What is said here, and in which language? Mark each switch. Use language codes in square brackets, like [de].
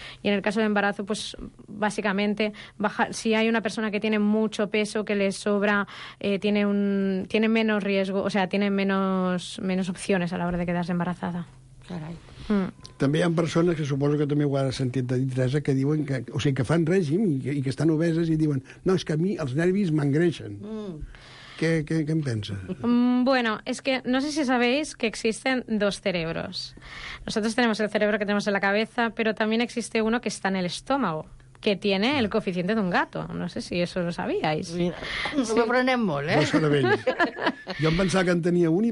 [es] Y en el caso de embarazo, pues básicamente bajar, si hay una persona que tiene mucho peso, que le sobra, tiene menos riesgo, o sea, tiene menos opciones a la hora de quedarse embarazada. Caray. [ca] També hi ha persones que suposo que també ho has sentit de dir, Teresa, que diuen que, o sigui, que fan règim i que estan obeses i diuen, no, és que a mi els nervis m'engreixen. [es] ¿Qué piensas? Bueno, es que no sé si sabéis que existen dos cerebros. Nosotros tenemos el cerebro que tenemos en la cabeza, pero también existe uno que está en el estómago, que tiene el coeficiente de un gato. No sé si eso lo sabíais. [ca] Mira, sí. No me prenem molt, ¿eh? No son ells. Jo em pensava que en tenia un i